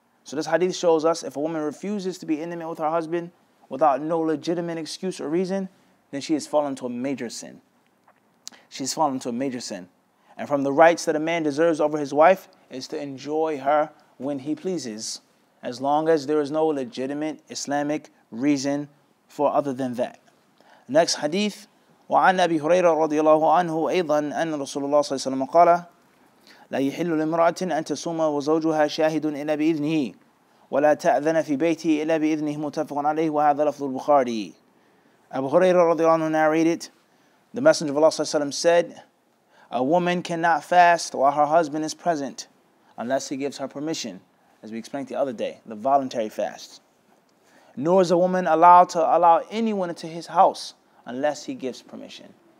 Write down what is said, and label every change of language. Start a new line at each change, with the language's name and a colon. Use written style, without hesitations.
English: So this hadith shows us if a woman refuses to be intimate with her husband without no legitimate excuse or reason, then she has fallen to a major sin. She's fallen to a major sin. And from the rights that a man deserves over his wife is to enjoy her when he pleases, as long as there is no legitimate Islamic reason for other than that. Next hadith.
Arabic: وعن أبي هريرة رضي الله عنه أيضا أن رسول الله صلى الله عليه وسلم قال لا يحل لامرأة أن تصوم وزوجها شاهد إلا بإذنه ولا تأذن في بيته إلا بإذنه متفق عليه وهذا لفظ البخاري.
English: أبو هريرة رضي الله عنه narrated, the Messenger of Allah صلى الله عليه وسلم said, a woman cannot fast while her husband is present unless he gives her permission. As we explained the other day, the voluntary fast. Nor is a woman allowed to allow anyone into his house unless he gives permission.